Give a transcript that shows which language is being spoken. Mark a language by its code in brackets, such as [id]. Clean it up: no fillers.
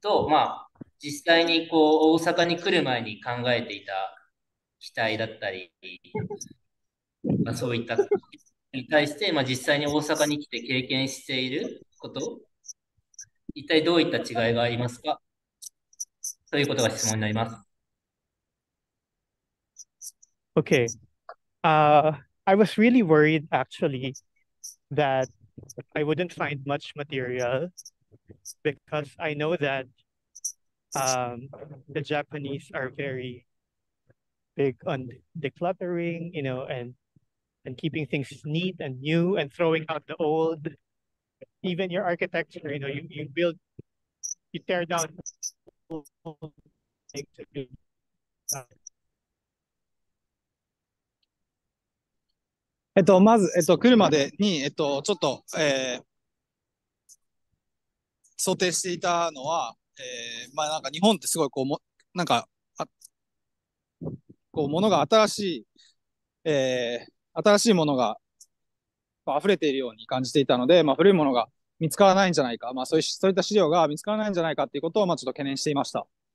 [ja] まあ実際にこう大阪に来る前に考えていた期待だったり、まあ、そういったに対して、まあ、実際に大阪に来て経験していること、一体どういった違いがありますか？ということが質問になります。 [en] Okay. I was really worried actually that I wouldn't find much material because I know thatthe Japanese are very big on decluttering, you know, and keeping things neat and new and throwing out the old. Even your architecture, you know, you tear down old things. [ja] まず、来るまでに、ちょっと、想定していたのは、まあなんか日本ってすごいこうも、なんか、こうものが新しいものが溢れているように感じていたので、まあ古いものが見つからないんじゃないか、まあそういった資料が見つからないんじゃないかっていうことをまあちょっと懸念していました。